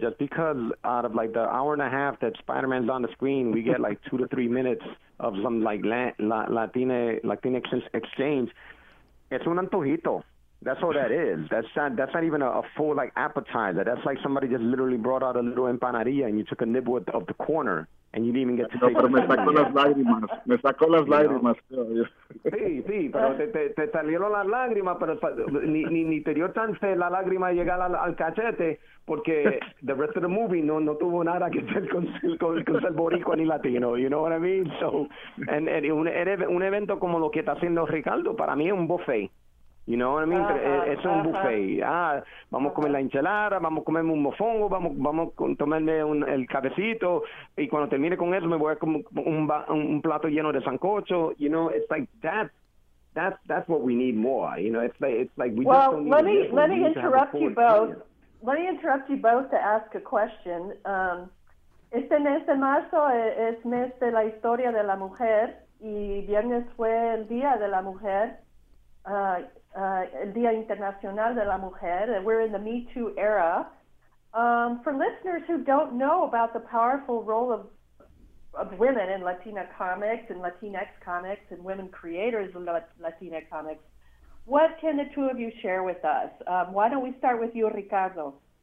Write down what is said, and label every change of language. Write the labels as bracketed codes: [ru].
[en] Just because out of, like, the hour and a half that Spider-Man's on the screen, we get, like, 2 to 3 minutes of some, like, Latina exchange, it's [es] un antojito. [en] That's all that is. That's not even a full, like, appetizer. That's like somebody just literally brought out a little empanadilla and you took a nibble of the corner. And you didn't even get to [es] no, pero me sacó las lágrimas. Me sacó las lágrimas. Sí, sí, pero te salieron las lágrimas, pero ni te dio chance la lágrima de llegar al cachete, porque [en] the rest of the movie [es] no tuvo nada que ver con ser boricua ni latino, [en] you know what I mean? So, and [es] un evento como lo que está haciendo Ricardo, para mí es un buffet. [en] You know what I mean? [es] Es un buffet. Ah, vamos a comer la enchilada, vamos a comer un mofongo, vamos a tomarme el cabecito, y cuando termine con eso me voy a comer un plato lleno de sancocho. [en] You know, it's like that's what we need more. You know, it's like we well, just don't need Well, let me interrupt you both. Let me interrupt you both to ask a question. [es] Este mes de marzo es mes de la historia de la mujer, y viernes fue el día de la mujer. El Día Internacional de la Mujer. [en] We're in the Me Too era. For listeners who don't know about the powerful role of women in Latina comics and Latinx comics and women creators of Latina comics, what can the two of you share with us? Why don't we start with you, Ricardo?